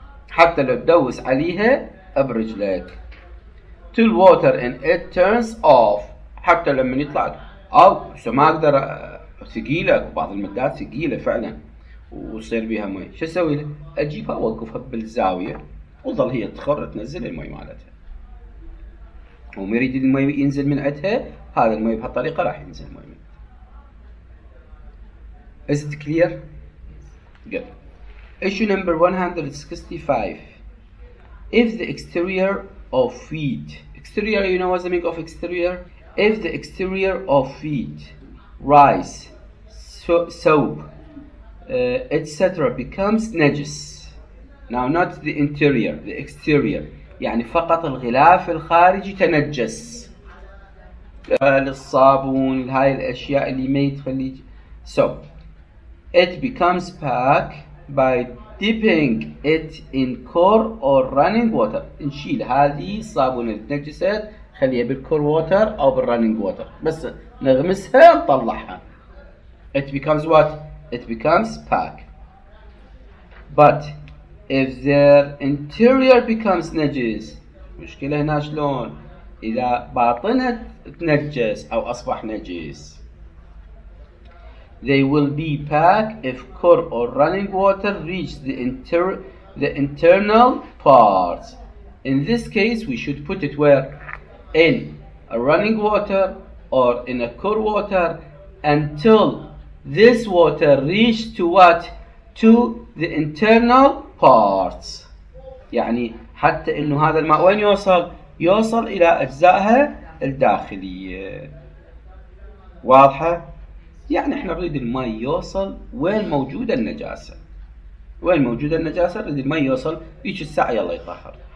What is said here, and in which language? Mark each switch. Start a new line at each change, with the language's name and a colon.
Arabic: حتى لو تدوس عليها برجلك
English: till water in it turns off
Arabic: حتى لما يطلع او شو ما اقدر ثقيله بعض المادات ثقيله فعلا ويصير بيها مي شو اسوي اجيبها اوقفها بالزاويه وظل هي تخر تنزل المي مالتها وما يريد الماء ينزل من عندها هذا الماء بهالطريقه راح ينزل الماء منها.
English: Is it clear? Good. Issue number 165. If the exterior of feet, exterior, you know what's the meaning of exterior? If the exterior of feet, rice, soap, etc., becomes najis. Now, not the interior, the exterior.
Arabic: يعني فقط الغلاف الخارجي تنجس. الصابون هاي الأشياء اللي ما يتخلي.
English: So, it becomes pack by dipping it in cold or running water.
Arabic: نشيل هذه الصابون التنجسة خليها بالكول ووتر أو بالرننج ووتر. بس نغمسها نطلعها.
English: It becomes what? It becomes pack. But if their interior becomes najis,
Arabic: مشكلة هنا شلون؟ إذا باطنها تنجس أو أصبح نجس.
English: They will be packed if cold or running water reaches the internal parts. In this case, we should put it where? In a running water or in a cold water until this water reaches to what? To the internal parts.
Arabic: يعني حتى إنه هذا الماء وين يوصل؟ يوصل إلى أجزائها الداخلية. واضحة؟ يعني إحنا نريد الماء يوصل وين موجودة النجاسة. وين موجودة النجاسة؟ نريد الماء يوصل بيش الساعة يلا يطهر.